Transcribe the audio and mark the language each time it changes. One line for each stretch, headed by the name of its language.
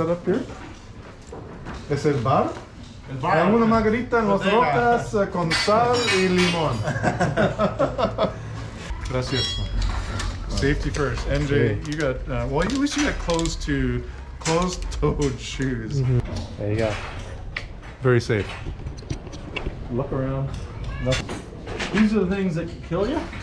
English: We got a little office set up here. Is it bar? And
Spanish: una margarita en las rocas con sal y limón. Gracias.
English: Safety first. NJ, you got, at least you got closed-toed shoes. Mm-hmm. There you go. Very safe. Look around. These are the things that can kill you.